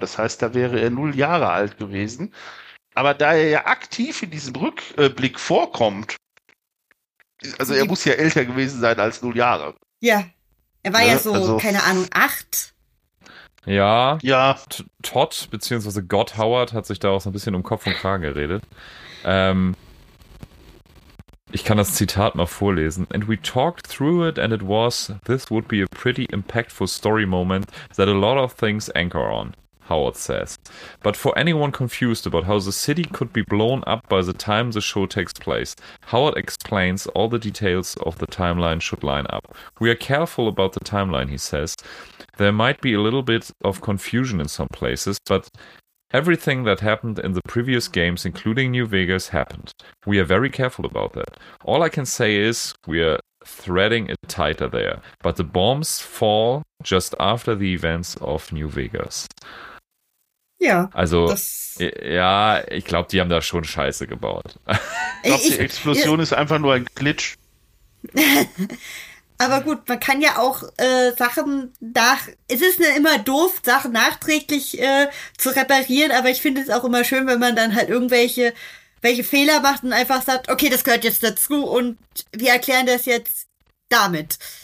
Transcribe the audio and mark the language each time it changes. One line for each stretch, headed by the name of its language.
German: Das heißt, da wäre er 0 Jahre alt gewesen. Aber da er ja aktiv in diesem Rückblick vorkommt, also er muss ja älter gewesen sein als 0 Jahre. Ja, er war ja so, also, keine Ahnung, 8. Ja, ja. Todd bzw. God Howard hat sich da auch so ein bisschen um Kopf und Kragen geredet. Ich kann das Zitat mal vorlesen.
English: And we talked through it and it was, this would be a pretty impactful story moment that a lot of things anchor on. Howard says. But for anyone confused about how the city could be blown up by the time the show takes place, Howard explains all the details of the timeline should line up. We are careful about the timeline, he says. There might be a little bit of confusion in some places, but everything that happened in the previous games, including New Vegas, happened. We are very careful about that. All I can say is we are threading it tighter there, but the bombs fall just after the events of New Vegas.
German: Ja. Also, ja, ich glaube, die haben da schon Scheiße gebaut. Ich glaube, die Explosion ist einfach nur ein Glitch. Aber gut, man kann ja auch Sachen nach... Es ist ja immer doof, Sachen nachträglich zu reparieren, aber ich finde es auch immer schön, wenn man dann halt irgendwelche Fehler macht und einfach sagt, okay, das gehört jetzt dazu und wir erklären das jetzt damit.